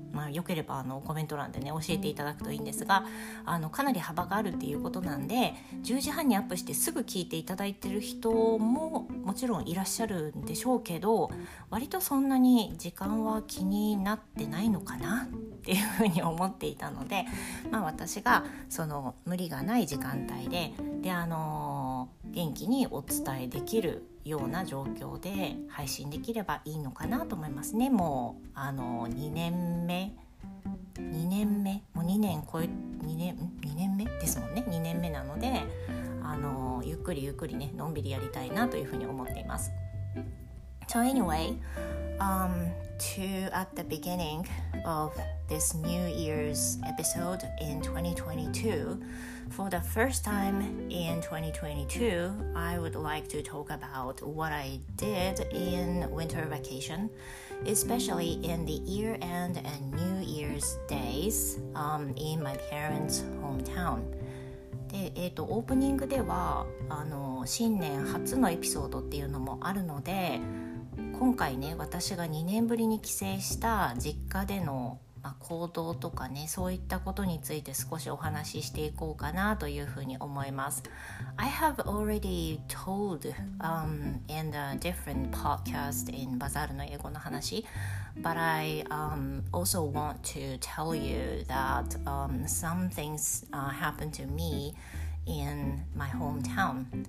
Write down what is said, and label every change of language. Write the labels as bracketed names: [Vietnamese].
[Japanese] まあ、よければコメント欄でね教えていただくといいんですが、かなり幅があるっていうことなんで、10時半にアップしてすぐ聞いていただいている人ももちろんいらっしゃるんでしょうけど、割とそんなに時間は気になってないのかなっていうふうに思っていたので、まあ、私がその無理がない時間帯で、元気にお伝えできるような状況で配信できればいいのかなと思いますね。もう2年目、もう2年目ですもんね。 2年目なので、ゆっくりゆっくりね、のんびりやりたいなというふうに思っています。 [English] So anyway, at the beginning of this New Year's episode in 2022, for the first time in 2022, I would like to talk about what I did in winter vacation, especially in the year-end and New Year's days in my parents' hometown. [Japanese] で、オープニングでは新年初のエピソードっていうのもあるので、今回ね、私が2年ぶりに帰省した実家での、まあ、行動とかね、そういったことについて少しお話ししていこうかなというふうに思います。 [English] I have already told in the different podcast in Bazaar [Japanese] の英語の話、 [English] but I also want to tell you that some things happened to me in my hometown.